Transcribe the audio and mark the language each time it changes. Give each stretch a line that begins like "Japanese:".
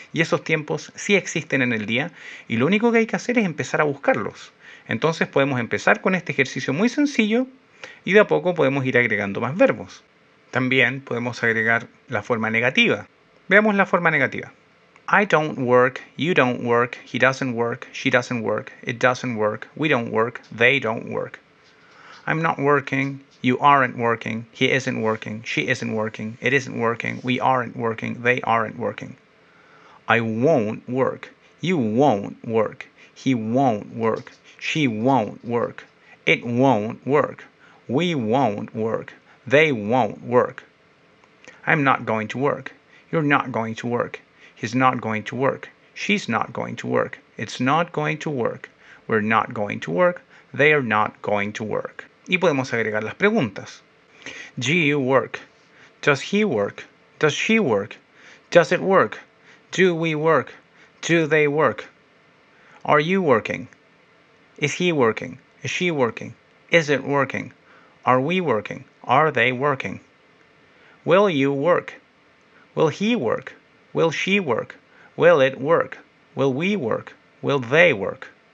Spanish: Y esos tiempos sí existen en el día. Y lo único que hay que hacer es empezar a buscarlos. Entonces podemos empezar con este ejercicio muy sencillo y de a poco podemos ir agregando más verbos. También podemos agregar la forma negativa. Veamos la forma negativa.
English: I don't work, you don't work, he doesn't work, she doesn't work, it doesn't work, we don't work, they don't work. I'm not working, you aren't working, he isn't working, she isn't working, it isn't working, we aren't working, they aren't working. I won't work, you won't work, he won't work, she won't work, it won't work, we won't work, they won't work. I'm not going to work, you're not going to work. He's not going to work. She's not going to work. It's not going to work. We're not going to work. They are not going to work.
Spanish: Y podemos agregar las preguntas.
English: Do you work? Does he work? Does she work? Does it work? Do we work? Do they work? Are you working? Is he working? Is she working? Is it working? Are we working? Are they working? Will you work? Will he work? Will she work? Will it work? Will we work? Will they work?